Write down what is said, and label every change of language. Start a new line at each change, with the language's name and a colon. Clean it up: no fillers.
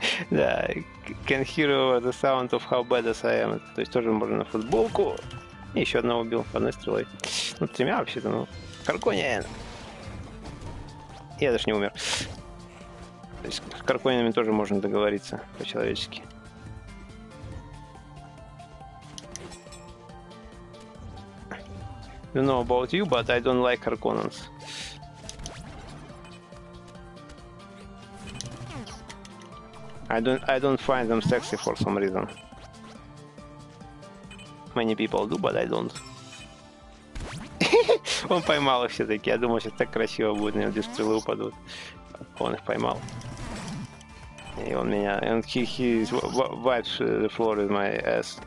English: Да, can hear the sound of how bad as I am.
Russian: То есть тоже можно на футболку. И еще одного убил одной стрелой. Ну, тремя вообще-то, ну. Харконнен! Я даже не умер. То есть с Харконненами тоже можно договориться по-человечески.
English: I don't know about you, but I don't like Harkonnens. I don't find them sexy for some reason. Many people do, but I don't.
Russian: Он поймал их все-таки. Я думал, сейчас так красиво будет, на него две стрелы упадут. Он их поймал. И он меня...
English: And he wipes the floor with my ass.